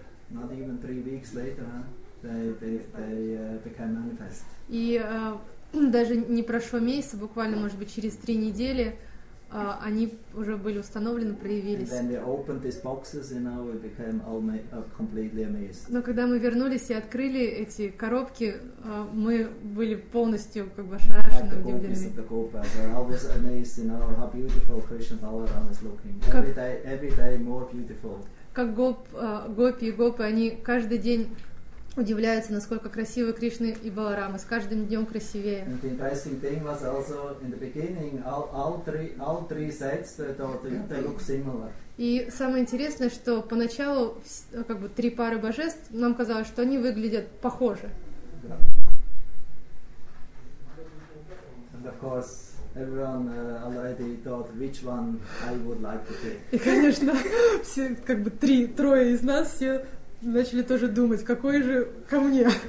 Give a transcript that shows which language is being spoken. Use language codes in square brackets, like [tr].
[en] Not even 3 weeks later, they became manifest. [ru] И даже не прошло месяца, буквально, может быть, через 3 недели они уже были установлены, проявились. [en] And then we opened these boxes, you know, we became completely amazed. [ru] Но когда мы вернулись и открыли эти коробки, мы были полностью как бы ошарашены, удивлены. [en] Every day more beautiful. [ru] Как гопи и гопы, они каждый день удивляются, насколько красивы Кришна и Баларама, с каждым днем красивее. [en] And the interesting thing was also in the beginning, all three sets, they look similar. [ru] И самое интересное, что поначалу как бы три пары божеств нам казалось, что они выглядят похоже. [en] And of course, everyone already thought which one I would like to take. [ru] И, конечно, все как бы трое из нас все начали тоже думать, какой же ко мне.